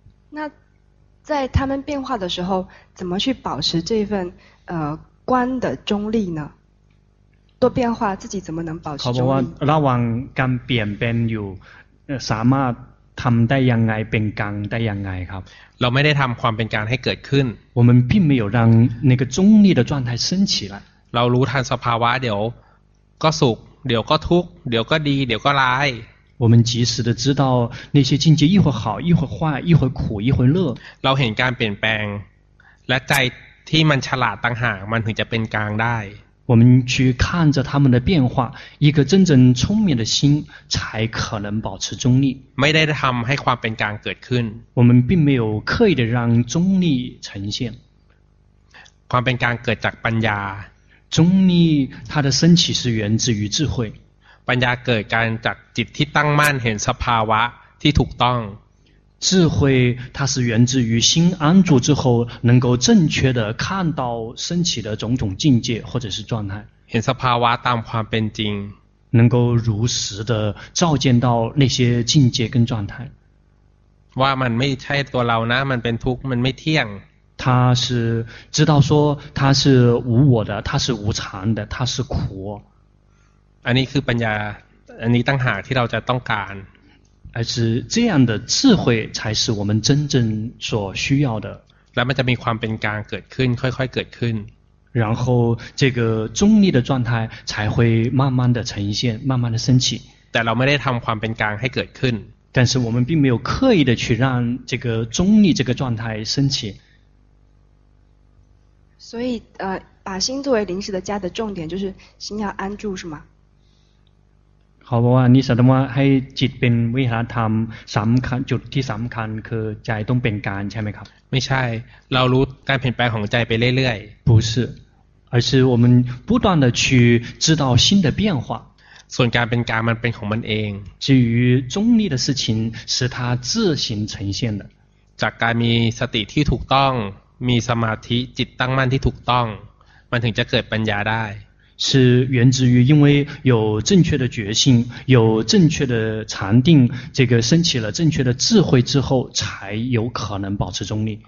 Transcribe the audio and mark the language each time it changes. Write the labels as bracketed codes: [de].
[zh] 那在他们变化的时候怎么去保持这份观的中立呢多变化自己怎么能保持中立 [th] ระหว่างการเปลี่ยนแปลงอยู่สามารถทำได้ยังไงเป็นกลางได้ยังไงครับ เราไม่ได้ทำความเป็นกลางให้เกิดขึ้น [zh] 我们并没有让那个中立的状态升起来 [th] เรารู้ทันสภาวะเดี๋ยวก็สุขเดี๋ยวก็ทุกข์เดี๋ยวก็ดีเดี๋ยวก็ร้าย [zh] 我们及时的知道那些境界一会好一会坏一会苦一会乐 [th] เราเห็นการเปลี่ยนแปลงและใจที่มันฉลาดต่างหากมันถึงจะเป็นกลางได้ [zh] 我们去看着他们的变化，一个真正聪明的心才可能保持中立。 [th] ไม่ได้ทำให้ความเป็นกลางเกิดขึ้น。 [zh] 我们并没有刻意的让中立呈现。 [th] ความเป็นกลางเกิดจากปัญญา。 [zh] 中立它的升起是源自于智慧。 [th] ปัญญาเกิดการจากจิตที่ตั้งมั่นเห็นสภาวะที่ถูกต้อง。 [zh] 智慧它是源自于心安住之后能够正确的看到升起的种种境界或者是状态 [th] เห็นสภาวะตามความเป็นจริง [zh] 能够如实的照见到那些境界跟状态 [th] ว่ามันไม่ใช่ตัวเรานะมันเป็นทุกข์มันไม่เที่ยง [zh] 它是知道说它是无我的它是无常的它是苦 [th] อันนี้คือปัญญาอันนี้ตั้งหากที่เราจะต้องการ [zh] 而是这样的智慧才是我们真正所需要的 [th] แล้วมันจะมีความเป็นกลางเกิดขึ้นค่อยๆเกิดขึ้น [zh] 然后这个中立的状态才会慢慢的呈现慢慢的升起 [th] แต่เราไม่ได้ทำความเป็นกลางให้เกิดขึ้น [zh] 但是我们并没有刻意的去让这个中立这个状态升起所以把心作为临时的家的重点就是心要安住是吗 [th] เขาบอกว่านิสสัทธัมมะให้จิตเป็นวิหารธรรมสำคัญจุดที่สำคัญคือใจต้องเป็นกลางใช่ไหมครับ ไม่ใช่เรารู้การเปลี่ยนแปลงของใจไปเรื่อย [zh] ๆ不是而是我们不断的去知道心的变化 [th] ส่วนการเป็นกลางมันเป็นของมันเอง [zh] 至于中立的事情是它自行呈现的 [th] จากการมีสติที่ถูกต้องมีสมาธิจิตตั้งมั่นที่ถูกต้องมันถึงจะเกิดปัญญาได้ [zh] 是源自于因为有正确的觉性有正确的禅定这个升起了正确的智慧之后才有可能保持中立